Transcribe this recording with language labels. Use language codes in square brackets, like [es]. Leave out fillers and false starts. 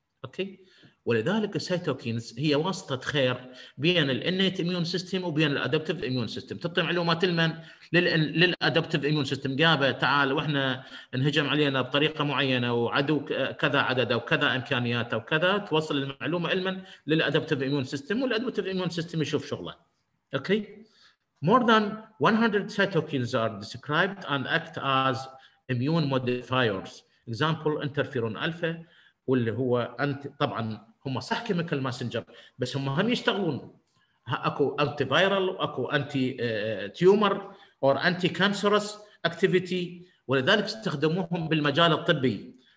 [ar] اوكي ولذلك cytokines هي واسطة خير بين innate immune system وبين adaptive immune system، تعطي معلومات لمن؟ للadaptive immune system، جابه تعال واحنا انهجم علينا بطريقة معينة وعدو كذا عدد وكذا امكانيات وكذا، توصل المعلومة لمن؟ للadaptive immune system، والadaptive immune system يشوف شغله. [en] Okay more than 100 cytokines are described and act as immune modifiers. example interferon alpha [ar] واللي هو انت طبعا هم صح كيميكال ماسنجر بس هم هم يشتغلون، اكو انتي فايرال واكو انتي تيومر اور انتي كانسرس اكتيفيتي، ولذلك استخدموهم بالمجال الطبي.